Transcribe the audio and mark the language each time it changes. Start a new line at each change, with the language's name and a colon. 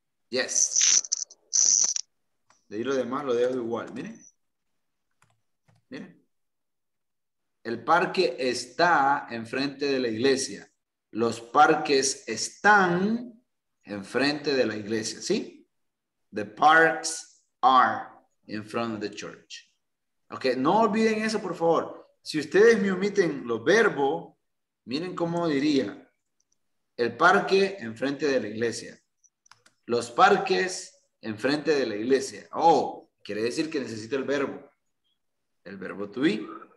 English: Yes.
Spanish: De ahí lo demás lo dejo igual, miren. Miren. El parque está enfrente de la iglesia. Los parques están enfrente de la iglesia, ¿sí?
English: The parks are in front of the church.
Spanish: Ok, no olviden eso, por favor. Si ustedes me omiten los verbos, miren cómo diría. El parque enfrente de la iglesia. Los parques enfrente de la iglesia. Oh, quiere decir que necesito el verbo. El verbo to be.